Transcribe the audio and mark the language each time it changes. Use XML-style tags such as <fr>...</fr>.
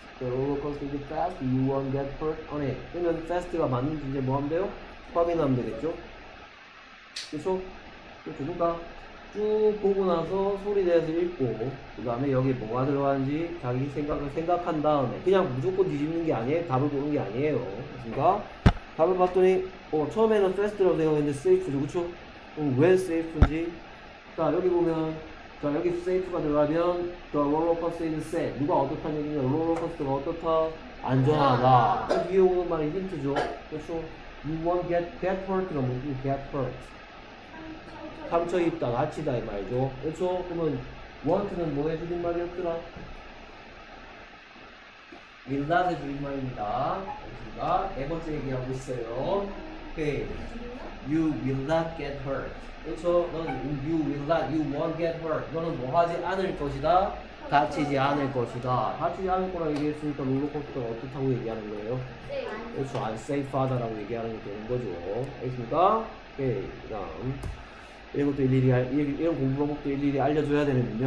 <en>The roller coaster is fast, you won't get hurt on it.</en> <ko>그러면 패스트가 맞는지 이제 뭐 하면 돼요? 확인하면 되겠죠? 그쵸? 그쵸, 누가? 쭉 보고 나서 소리 내서 읽고 그 다음에 여기 뭐가 들어가는지 자기 생각을 생각한 다음에 그냥 무조건 뒤집는 게 아니에요. 답을 보는 게 아니에요. 그러니까 답을 봤더니 처음에는 fast라고 생각했는데 safe죠. 그쵸? 왜 safe인지 자 여기 보면 자 여기 safe가 들어가면 the rollercoaster is safe. 누가 어떻다는 얘기냐 rollercoaster가 어떻다? 안전하다. 그 뒤에 오는 말이 힌트죠. 그쵸?</ko> <en>you won't get hurt</en> <ko>가 뭔지 get hurt 상처 입다, 다치다 이 말이죠. 그렇죠? 그러면 want는 뭐 해주는 말이었더라? will not 해주는 말입니다. 그렇습니까? 네 번째 얘기하고 있어요.</ko> <en>Okay. You will not get hurt.</en> <ko>그렇죠? 너는</ko> <en>you will not, you won't get hurt.</en> <ko>너는 뭐 하지 않을 것이다? 다치지 않을 것이다. 다치지 않을 거라 얘기했으니까 롤러코스터가 어떻다고 얘기하는 거예요? 그렇죠? unsafe 하다라고 얘기하는 게 되는 거죠. 알겠습니까? 오케이. Okay. 그다음 이런 것도 일일이, 이런 공부 방법도 일일이 알려줘야 되는군요.</ko>